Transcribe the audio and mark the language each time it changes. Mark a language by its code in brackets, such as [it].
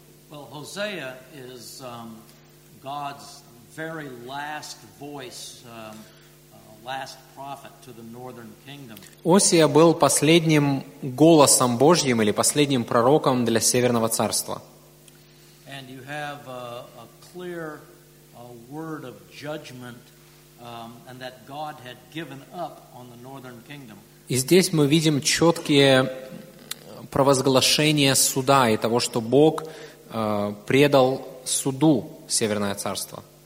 [en] Well, Hosea is God's very last voice, last prophet to the northern kingdom. [ru] Осия был последним голосом Божьим или последним пророком для Северного царства. [en] And you have a clear word of judgment, and that God had given up on the northern kingdom. [ru] И здесь мы видим четкие провозглашения суда и того, что Бог предал суду Северное царство.